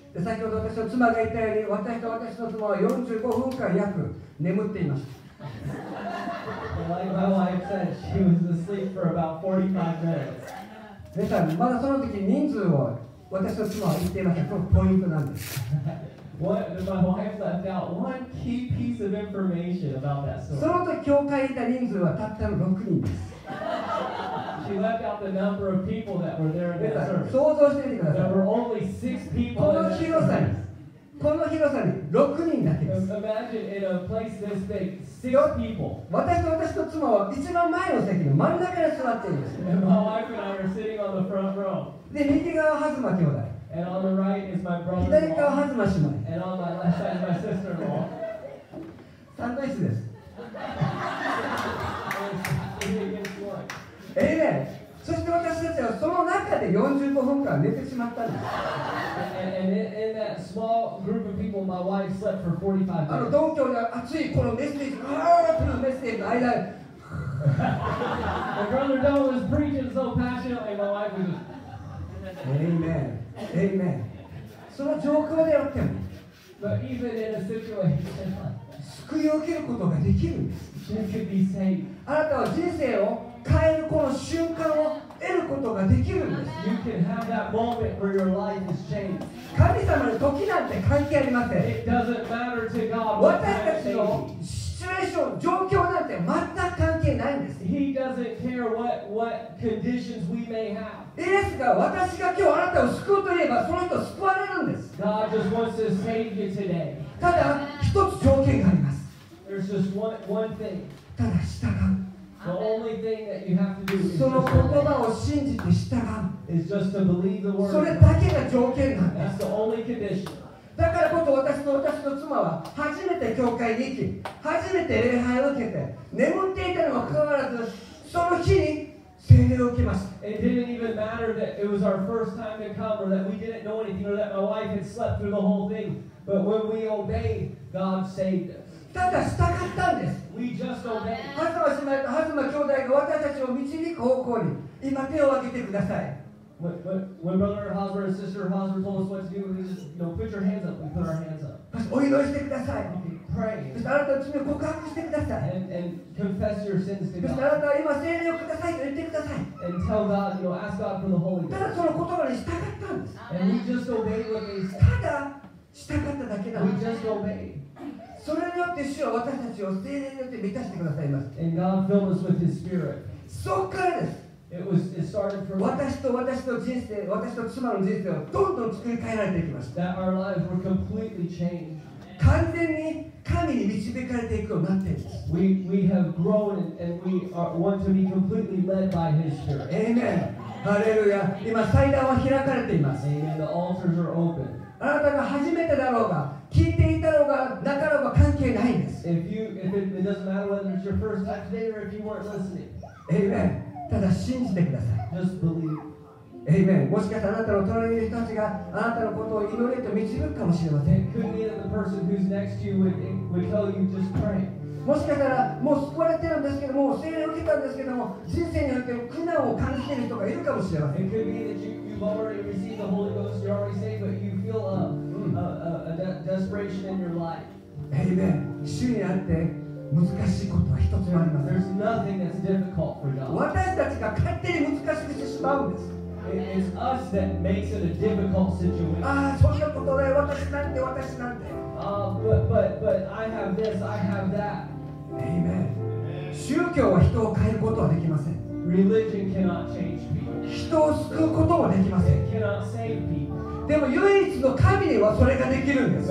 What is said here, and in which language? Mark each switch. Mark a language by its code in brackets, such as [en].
[ja] で先ほど私の妻が言ったように、私と私の妻は45分間約眠っていました。 [en] Like my wife said, she was asleep for about 45 minutes. [ja] 皆さん、まだその時人数を私の妻は言っていました。これポイントなんです。 [en] What? My wife left out one key piece of information about that story. [ja] その時教会にいた人数はたったの6人です。 [en] She left out the number of people that were there in that service. [ja] 想像してみてください。 [en] There were only 6 people in that service. [ja] この広さに6人だけです。 [en] Imagine in a place this big, 6 people. [ja] 私と妻は一番前の席の真ん中に座っています。 [en] And my wife and I are sitting on the front row. [ja] で、右側はハズマ兄弟。 [en] And on the right is my brother-in-law. [ja] 左側はハズマ姉妹。 [en] And on my left side is my sister-in-law. [ja] 三対一です。 [en] Three against one. Amen! [ja] そして私たちはその中で45分間寝てしまったんです。 [en] In that small group of people, my wife slept for 45 minutes. [ja] あの東京で熱いこのメッセージ、このメッセージの間。 [en] My brother Don was preaching so passionately, my wife was. [ja] Amen. Amen. その状況であっても。 [en] But even in a situation. [ja] 救いを受けることができるんです。 [en] She could be saved. [ja] あなたは人生を変えるこの瞬間を得ることができるんです。 [en] You can have that moment where your life is changed. [ja] 神様の時なんて関係ありません。 [en] It doesn't matter to God. [ja] 私たちのシチュエーション、状況なんて全く関係ないんです。 [en] He doesn't care what conditions we may have. [ja] イエスが私が今日あなたを救うと言えばその人を救われるんです。 [en] God just wants to save you today. [ja] ただ一つ条件があります。 [en] There's just one thing. [ja] ただ従う。 [en] The only thing that you have to do is [ja] その言葉を信じて従う。 [en] Is just to believe the word. [ja] それだけが条件なんです。 [en] That's the only condition. [ja] だからこそ私の妻は初めて教会に行き、初めて礼拝を受けて、眠っていたにもかかわらず、その日に聖霊を受けました。 [en] It didn't even matter that it was our first time to come or that we didn't know anything or that my wife had slept through the whole thing. But when we obeyed, God saved us. [ja] ただ従ったんです。 [en] We just obeyed. [ja] ハズマ兄弟が私たちを導く方向に今手を挙げてください。 [en] When Brother Hosmer and Sister Hosmer told us what to do, we just, you know, put your hands up. We put our hands up. [ja] お祈りしてください。 [en] Pray. [ja] そしてあなたの罪を告白してください。 [en] And confess your sins to God. [ja] そしてあなたは今聖霊をくださいと言ってください。 [en] And tell God, you know, ask God for the Holy Spirit. [ja] ただその言葉に従ったんです。 [en] And we just obeyed what they said. [ja] ただ従っただけなんです。 [en] We just obeyed. [ja] それによって主は私たちを聖霊によって満たしてくださいます。 [en] And God filled us with His Spirit. [ja] そっからです。 [en] It started from [ja] 私と妻の人生をどんどん作り変えられていきます。 [en] That our lives were completely changed. [ja] 完全に神に導かれていくようになっています。 [en] We have grown and we are, want to be completely led by His Spirit. Amen. ハレルヤ。 [ja] 今祭壇は開かれています。 [en] Amen. The altars are open. [ja] あなたが初めてだろうが、聞いていたろうが、なかろうが関係ないんです。 [en] If it doesn't matter whether it's your first time today or if you weren't listening. [ja] Amen. ただ信じてください。 [en] Just believe. Amen. [ja] もしかしたらあなたの隣にいる人たちがあなたのことを祈りと導くかもしれません。 [en] It could be that the person who's next to you would tell you just pray. [ja] もしかしたらもう救われてるんですけども、聖霊を受けたんですけども、人生によって苦難を感じている人がいるかもしれません。 [en] It could be that you've already received the Holy Ghost, you're already saved, but you feel a desperation in your life. Amen. [ja] 主にあって難しいことは一つもありません。 [en] There's nothing that's difficult for God. [ja] 私たちが勝手に難しくしてしまうんです。 [en] It's us that makes it a difficult situation. [ja] ああ、そういうことで私なんて私なんて。 [en] But I have this, I have that. Amen. [ja] 宗教は人を変えることはできません。 [en] Religion cannot change people. [ja] 人を救うことはできません。 [en] It cannot save people. [ja] でも唯一の神にはそれができるんです。